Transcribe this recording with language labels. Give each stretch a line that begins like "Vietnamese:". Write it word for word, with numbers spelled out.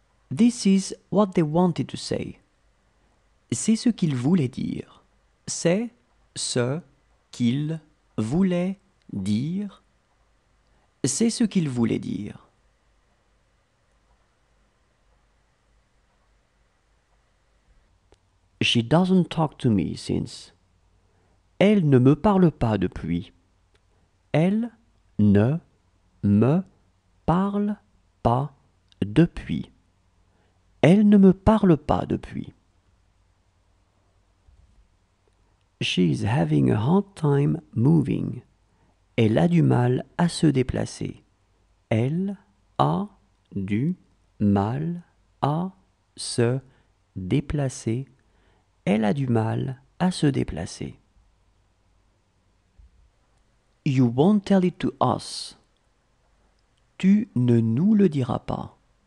English: This is what they wanted to say.
French: C'est ce qu'ils voulaient dire. C'est ce qu'ils voulaient dire. C'est ce qu'ils voulaient dire.
English: She doesn't talk to me since.
French: Elle ne me parle pas depuis. Elle ne me parle pas depuis. Elle ne me parle pas depuis.
English: She's having a hard time moving.
French: Elle a du mal à se déplacer. Elle a du mal à se déplacer. Elle a du mal à se déplacer.
English: You won't tell it to us.
French: Tu ne nous le diras pas.